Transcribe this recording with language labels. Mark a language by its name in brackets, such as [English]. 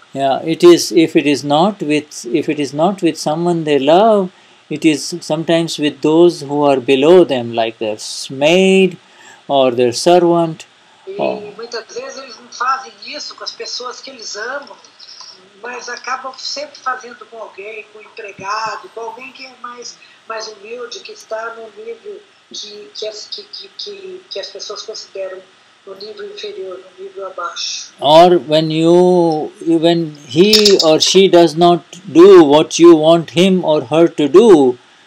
[English] Yeah, if it is not with someone they love, it is sometimes with those who are below them, like their maid or their servant. [Portuguese] E muitas vezes eles não fazem isso com as pessoas que eles amam, mas acabam sempre fazendo com alguém, com um empregado, com alguém que é mais humilde, que está no nível que as pessoas consideram no nível inferior, no nível abaixo. [English] Or when you, when he or she does not do what you want him or her to do,